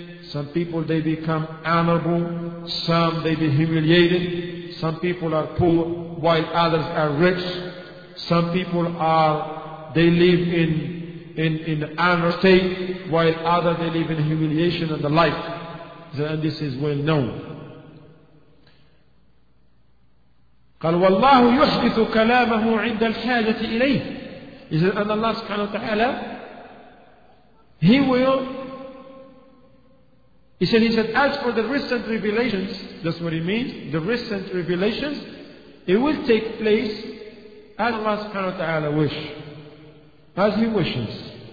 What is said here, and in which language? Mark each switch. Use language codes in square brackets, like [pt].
[en] Some people they become honorable, some they be humiliated, some people are poor while others are rich, some people are they live in honor state while others they live in humiliation and the like. And this is well known. [ar] قال والله يحدث كلامه عند الحاجة إليه. [en] He said, and Allah subhanahu wa ta'ala, He said, as for the recent revelations, that's what he means, the recent revelations, it will take place as Allah subhanahu wa ta'ala wish, as He wishes.